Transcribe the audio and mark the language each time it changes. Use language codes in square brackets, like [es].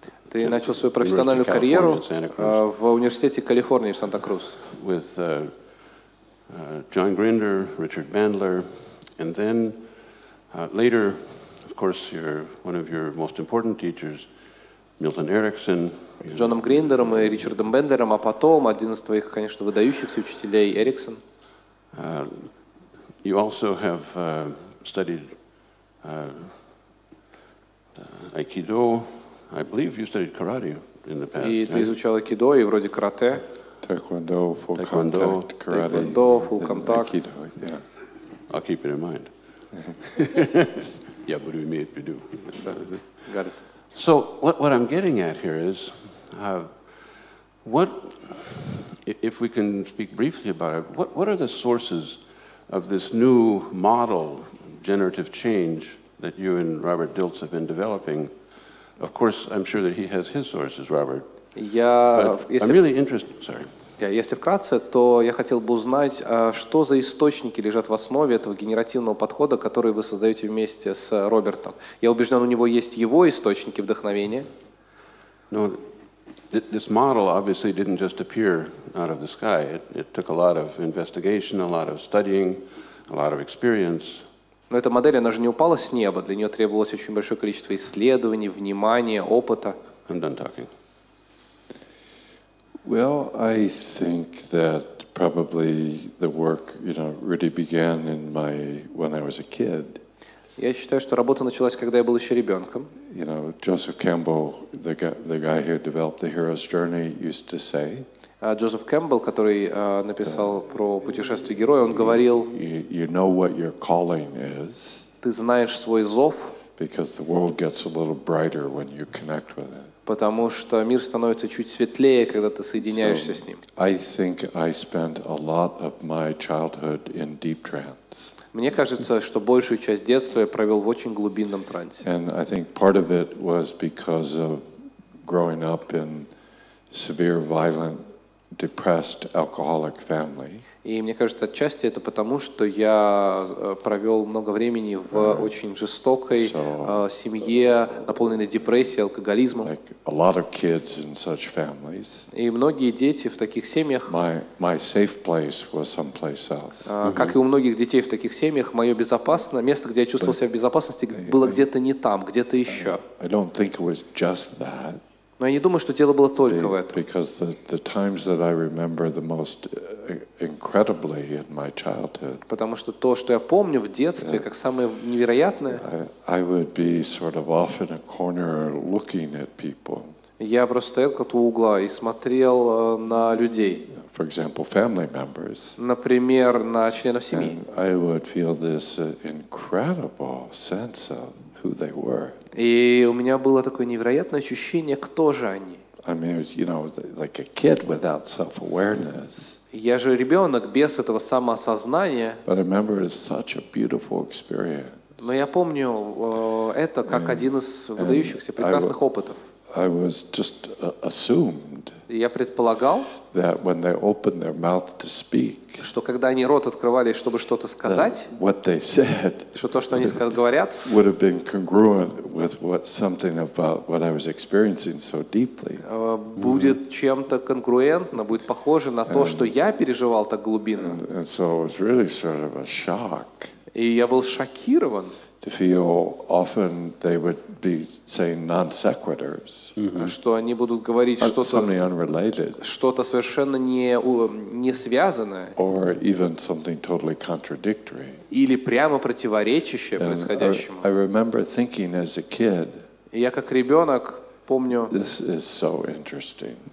[ru] Ты начал свою профессиональную карьеру в университете Калифорнии в Санта-Крус. [en] With John Grinder, Richard Bandler, and then later, of course, one of your most important teachers, Milton Erickson. [ru] С Джоном Гриндером и Ричардом Бендлером, а потом один из твоих, конечно, выдающихся учителей Эриксон. [en] You also have studied Aikido. I believe you studied karate in the past. [ru] И ты изучал айкидо и вроде карате. [en] Taekwondo, full contact, karate. Taekwondo, full contact. Aikido, yeah. I'll keep it in mind. [ru] Я буду иметь в виду. [en] Got it. So what I'm getting at here is, what if we can speak briefly about it? What are the sources of this new model, generative change that you and Robert Diltz have been developing? Of course, I'm sure that he has his sources, Robert. Yeah, I'm really interested. Sorry. [ru] Если вкратце, то я хотел бы узнать, что за источники лежат в основе этого генеративного подхода, который вы создаете вместе с Робертом. Я убежден, у него есть его источники вдохновения. Но [en] this model obviously didn't just appear out of the sky. It took a lot of investigation, a lot of studying, a lot of experience. [ru] Но эта модель, она же не упала с неба. Для нее требовалось очень большое количество исследований, внимания, опыта. [en] I'm done talking. Well, I think that probably the work, you know, really began in my when I was a kid. [ru] Я считаю, что работа началась, когда я был еще ребенком. [en] You know, Joseph Campbell, the guy who developed the hero's journey, used to say. [ru] Joseph Campbell, который написал про путешествие героя, он говорил. [en] You know what your calling is. [ru] Ты знаешь свой зов. [en] Because the world gets a little brighter when you connect with it. [ru] Потому что мир становится чуть светлее, когда ты соединяешься с ним. [en] I think I spent a lot of my childhood in deep trance. [ru] Мне кажется, что большую часть детства я провел в очень глубинном трансе. [en] And I think part of it was because of growing up in severe, violent, depressed, alcoholic family. [ru] И мне кажется, отчасти это потому, что я провел много времени в очень жестокой семье, наполненной депрессией, алкоголизмом. [en] Like a lot of kids in such families. [ru] И многие дети в таких семьях. [en] My safe place was someplace else. [ru] Как и у многих детей в таких семьях, мое безопасное место, где я чувствовал себя в безопасности, было где-то не там, где-то еще. [en] I don't think it was just that. [ru] Но я не думаю, что дело было только в этом. [en] Because the times that I remember the most incredibly in my childhood. [ru] Потому что то, что я помню в детстве, как самое невероятное. [en] I would be sort of off in a corner looking at people. [ru] Я просто стоял как-то у угла и смотрел на людей. [en] For example, family members. [ru] Например, на членов семьи. [en] And I would feel this incredible sense of who they were. [ru] И у меня было такое невероятное ощущение, кто же они. [en] I mean, you know, like a kid without self-awareness. [ru] Я же ребенок без этого самоосознания. [en] But I remember it's such a beautiful experience. [ru] Но я помню это как один из выдающихся прекрасных опытов. [en] I was just assumed. [ru] Я предполагал, [en] that when they opened their mouth to speak, [ru] что когда они рот открывали, чтобы что-то сказать, [en] what they said, [ru] что то, что они говорят, [en] would have been congruent with what something about what I was experiencing so deeply. [ru] Будет чем-то конгруентно, будет похоже на то, что я переживал так глубинно. [en] And so it was really sort of a shock. [ru] И я был шокирован. [en] To feel often they would be saying non sequiturs. [ru] Что они будут говорить что-то совершенно не связанное. [en] Or even something totally contradictory. [ru] Или прямо противоречащее происходящему. [en] I remember thinking as a kid. [ru] Я как ребенок помню. [en] This is so interesting.